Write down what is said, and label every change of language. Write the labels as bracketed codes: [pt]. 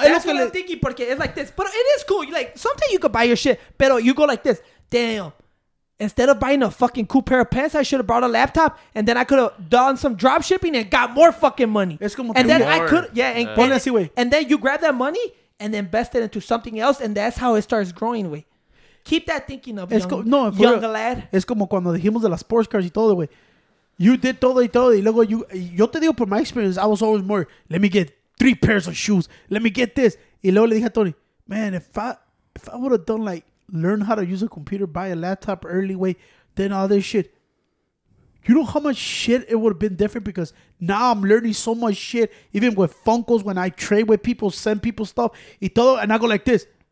[en] that's what I'm thinking, porque it's like this. But it is cool. You're like, sometimes you could buy your shit, pero you go like this. Damn. Instead of buying a fucking cool pair of pants, I should have brought a laptop and then I could have done some drop shipping and got more fucking money. It's como and then hard. I could, and then you grab that money and invest it into something else, and that's how it starts growing, way. Keep that thinking up, lad. [es] Es como cuando dijimos de las sports cars y todo, way. [en] You did [es] todo y todo, y luego [en] you, [es] yo te digo, por [en] my experience, I was always more, let me get 3 pairs of shoes, let me get this. [es] Y luego le dije a [en] Tony, man, if I would have done like, learn how to use a computer, buy a laptop early, way, then all this shit. You know how much shit it would have been different, because now I'm learning so much shit, even with Funkos, when I trade with people, send people stuff, [es] y todo, [en] and I go like this.